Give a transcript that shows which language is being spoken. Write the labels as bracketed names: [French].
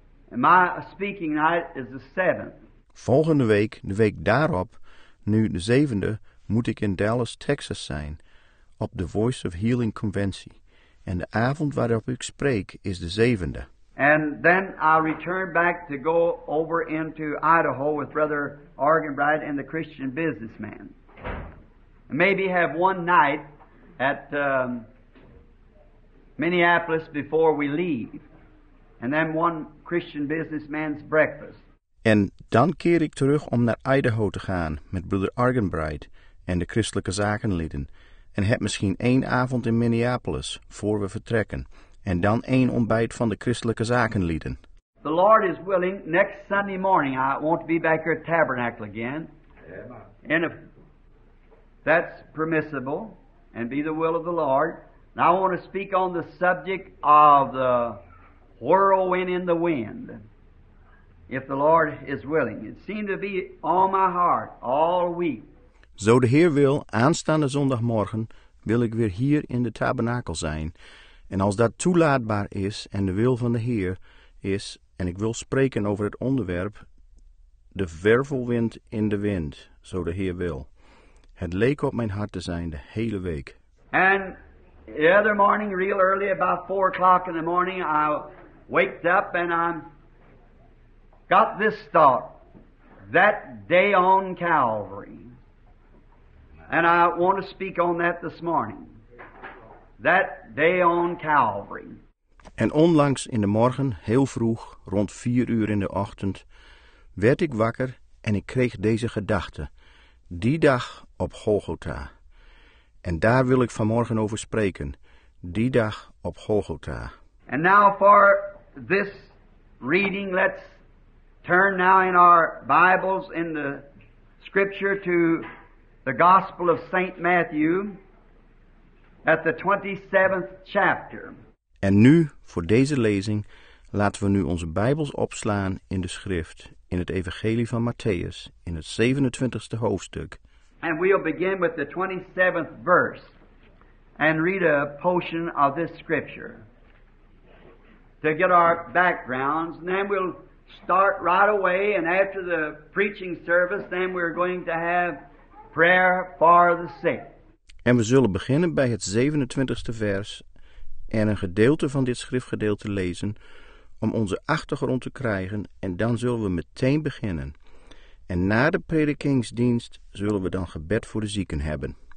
[English] And my speaking night is the 7th. [Dutch] Volgende week, de week daarop, nu de 7e, moet ik in Dallas, Texas zijn, op de Voice of Healing Convention. En de avond waarop ik spreek is de 7e. [English] And then I'll return back to go over into Idaho with Brother Argan Bright and the Christian businessman. Maybe have one night at Minneapolis before we leave. And then one Christian businessman's breakfast. [Dutch] En dan keer ik terug om naar Idaho te gaan met Brother Argan Bright en de christelijke zakenlieden. En heb misschien één avond in Minneapolis voor we vertrekken. En dan één ontbijt van de christelijke zakenlieden. [English] The Lord is willing, next Sunday morning I want to be back here at Tabernacle again. Amen. And if that's permissible and be the will of the Lord. Now I want to speak on the subject of the whirlwind in the wind. If the Lord is willing. It seemed to be on my heart all week. [Dutch] Zo de Heer wil, aanstaande zondagmorgen wil ik weer hier in de tabernakel zijn. En als dat toelaatbaar is en de wil van de Heer is, en ik wil spreken over het onderwerp, de wervelwind in de wind, zo de Heer wil. Het leek op mijn hart te zijn de hele week. [English] And the other morning, real early, about 4 o'clock in the morning, I waked up and I got this thought, that day on Calvary. And I want to speak on that this morning. That day on Calvary. [Dutch] En onlangs in de morgen, heel vroeg, rond 4 uur in de ochtend, werd ik wakker en ik kreeg deze gedachte. Die dag op Golgotha. En daar wil ik vanmorgen over spreken. Die dag op Golgotha. [English] And now for this reading, let's turn now in our Bibles in the scripture to the Gospel of St. Matthew. At the 27th chapter. [Dutch] En nu, voor deze lezing, laten we nu onze Bijbels opslaan in de schrift, in het Evangelie van Matthäus, in het 27e hoofdstuk. [English] And we'll begin with the 27th verse. and read a portion of this scripture to get our backgrounds, and then we'll start right away, and after the preaching service, then we're going to have prayer for the sick. [Dutch] En we zullen beginnen bij het 27e vers en een gedeelte van dit schriftgedeelte lezen om onze achtergrond te krijgen, en dan zullen we meteen beginnen. En na de predikingsdienst zullen we dan gebed voor de zieken hebben.